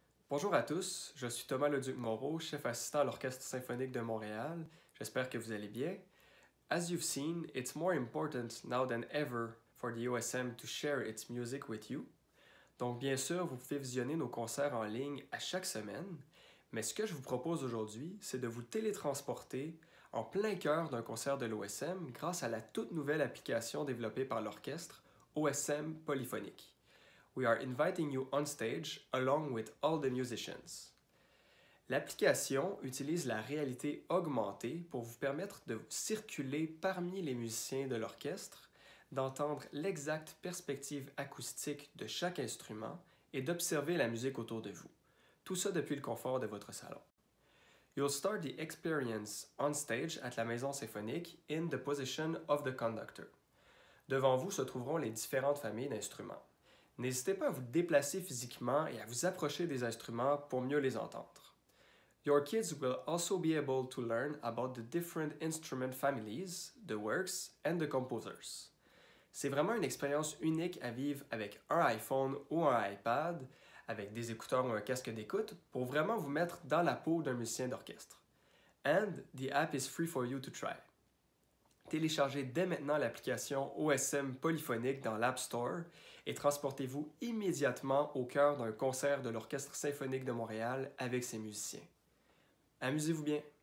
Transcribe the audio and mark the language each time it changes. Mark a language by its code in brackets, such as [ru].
[fr] Bonjour à tous, je suis Thomas Leduc-Moreau, chef assistant à l'Orchestre symphonique de Montréal. J'espère que vous allez bien. [en] As you've seen, it's more important now than ever for the OSM to share its music with you. [fr] Donc bien sûr, vous pouvez visionner nos concerts en ligne à chaque semaine, mais ce que je vous propose aujourd'hui, c'est de vous télétransporter en plein cœur d'un concert de l'OSM grâce à la toute nouvelle application développée par l'orchestre, OSM Polyphonique. [en] We are inviting you on stage along with all the musicians. [fr] L'application utilise la réalité augmentée pour vous permettre de circuler parmi les musiciens de l'orchestre, d'entendre l'exacte perspective acoustique de chaque instrument et d'observer la musique autour de vous. Tout ça depuis le confort de votre salon. [en] You'll start the experience on stage at la maison symphonique in the position of the conductor. [fr] Devant vous se trouveront les différentes familles d'instruments. N'hésitez pas à vous déplacer physiquement et à vous approcher des instruments pour mieux les entendre. [en] Your kids will also be able to learn about the different instrument families, the works, and the composers. [fr] C'est vraiment une expérience unique à vivre avec un iPhone ou un iPad, avec des écouteurs ou un casque d'écoute, pour vraiment vous mettre dans la peau d'un musicien d'orchestre. [en] And the app is free for you to try. [fr] Téléchargez dès maintenant l'application OSM Polyphonique dans l'App Store et transportez-vous immédiatement au cœur d'un concert de l'Orchestre symphonique de Montréal avec ses musiciens. Amusez-vous bien!